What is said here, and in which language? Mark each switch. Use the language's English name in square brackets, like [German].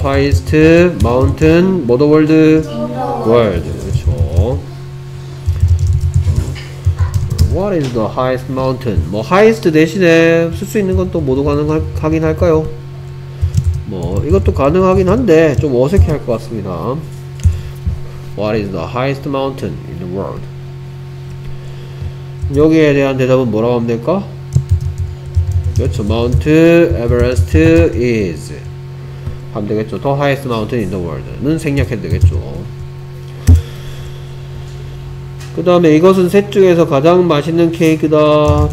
[English] highest mountain in the world. 그렇죠. what is the highest mountain. [Korean] 뭐 highest 대신에 쓸 수 있는 건 또 모두 가능하긴 할까요. 뭐 이것도 가능하긴 한데 좀 어색해 할 것 같습니다. [English] what is the highest mountain in the world. [Korean] 여기에 대한 대답은 뭐라고 하면 될까? 그렇죠. [English] Mount Everest is [Korean] 하면 되겠죠. [English] The highest mountain in the world는 [Korean] 생략해도 되겠죠. 그 다음에 이것은 셋 중에서 가장 맛있는 케이크다.